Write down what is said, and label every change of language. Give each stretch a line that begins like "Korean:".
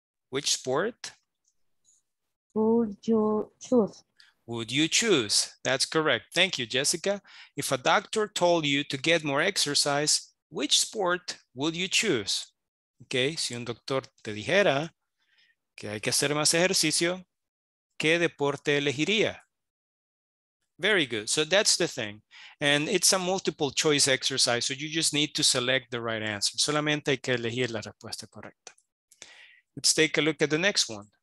English: Which sport? Would you choose? Would you choose? That's correct. Thank you, Jessica. If a doctor told you to get more exercise, which sport would you choose?
Spanish: Okay, si un doctor te dijera que hay que hacer más ejercicio, ¿qué deporte elegiría?
English: Very good. So that's the thing. And it's a multiple choice exercise, so you just need to select the right answer.
Spanish: Solamente hay que elegir la respuesta correcta.
English: Let's take a look at the next one.